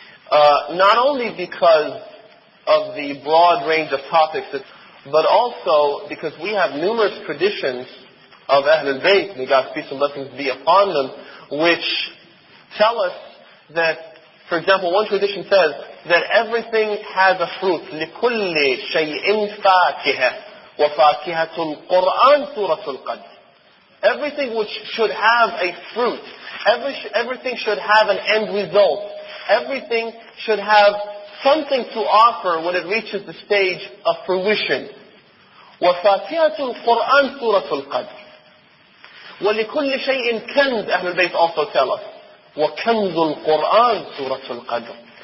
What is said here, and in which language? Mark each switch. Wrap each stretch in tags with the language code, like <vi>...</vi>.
<en>Not only because of the broad range of topics, but also because we have numerous traditions of Ahlul Bayt, may God's peace and blessings be upon them, which tell us that, for example, one tradition says that everything has a fruit.</en> <ar>لِكُلِّ شَيْءٍ فَاكِهَةٌ وَفَاكِهَةٌ قُرْآنٌ سُورَةُ الْقَدْرِ.</ar> <en>Everything which should have a fruit Everything should have an end result. Everything should have something to offer when it reaches the stage of fruition.</en> <ar>وَفَاتِحَةُ الْقُرْآنِ سُورَةُ الْقَدْرِ وَلِكُلِّ شَيْءٍ كَنْزٍ.</ar> <en>Ahlul Bayt also tell us.</en> <ar>وَكَنْزُ الْقُرْآنِ سُورَةُ الْقَدْرِ.</ar>